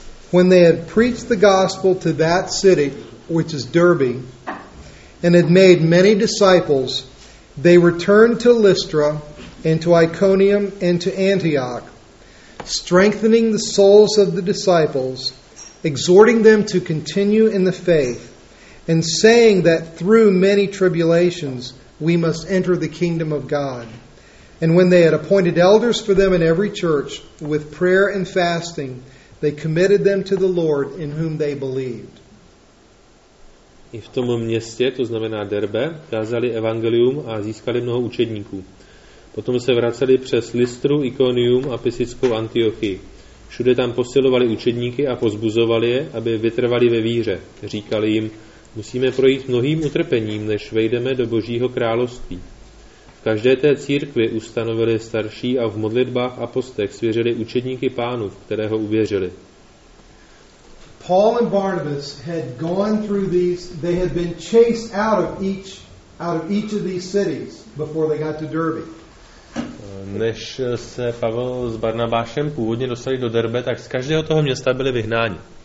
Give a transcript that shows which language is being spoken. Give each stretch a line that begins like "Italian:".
English: When they had preached the gospel to that city, which is Derbe, and had made many disciples, they returned to Lystra, and to Iconium, and to Antioch, strengthening the souls of the disciples, exhorting them to continue in the faith, and saying that through many tribulations we must enter the kingdom of God. And when they had appointed elders for them in every church, with prayer and fasting, they committed them to the Lord in whom they believed.
Czech: I v tom městě, to znamená Derbe, kázali evangelium a získali mnoho učedníků. Potom se vraceli přes Listru, Ikonium a Pisickou Antiochii. Všude tam posilovali učedníky a pozbuzovali je, aby vytrvali ve víře. Říkali jim, musíme projít mnohým utrpením, než vejdeme do Božího království. V každé té církvi ustanovili starší a v modlitbách a postech svěřili učedníky Pánu, v kterého uvěřili.
English: Paul and Barnabas had gone through these, they had been chased out of each of these cities before they got to Derbe.
Czech: Než se Pavel s Barnabášem původně dostali do Derbe, tak z každého toho města byli vyhnáni.